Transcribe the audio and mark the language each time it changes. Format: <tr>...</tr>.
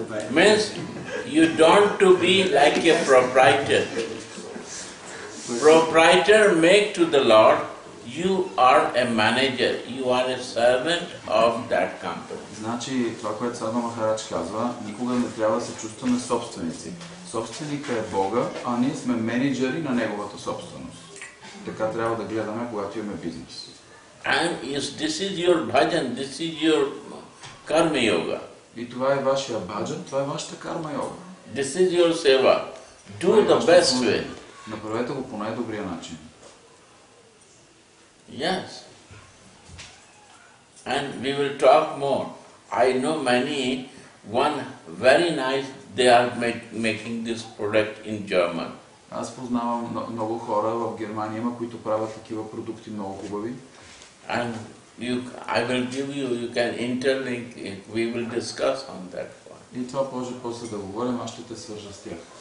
<en>Means you don't to be like a proprietor. Proprietor make to the Lord, you are a manager, you are a servant of that company.</en> <bg>Значи това, което Садху Махарадж казва, никога не трябва да се чувстваме собственици. Собственика е Бога, а ние сме менеджери на неговата собственост. Така трябва да гледаме, когато имаме бизнес.</bg> <en>And yes, this is your bhajan, this is your karma yoga.</en> <bg>И това е вашия bhajan, това е вашата karma yoga.</bg> <en>This is your seva. Do the best way.</en> <bg>Направете го по най-добрия начин.</bg> <en>Yes. And we will talk more. I know many, one very nice. They are making this product in German.</en> <bg>Аз познавам много хора в Германия, които правят такива продукти много хубави.</bg> <en>And I will give you can interlink it. We will discuss on that one.</en> <bg>И това може после да говорим, аз ще те свържа с тях.</bg>